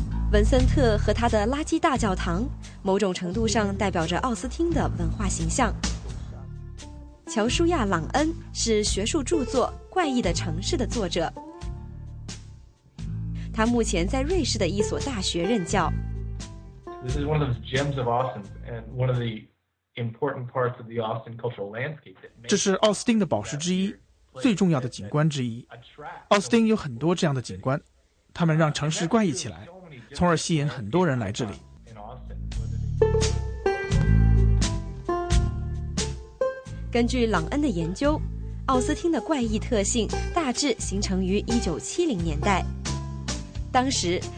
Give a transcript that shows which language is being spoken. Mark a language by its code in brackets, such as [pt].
[zh] 文森特和他的垃圾大教堂，某种程度上代表着奥斯汀的文化形象。乔舒亚·朗恩是学术著作《怪异的城市》的作者，他目前在瑞士的一所大学任教。 [en] This is one of the gems of Austin, and one of the important parts of the Austin cultural landscape. [zh] 这是奥斯汀的宝石之一，最重要的景观之一。奥斯汀有很多这样的景观，它们让城市怪异起来，从而吸引很多人来这里。根据朗恩的研究，奥斯汀的怪异特性大致形成于1970年代，当时。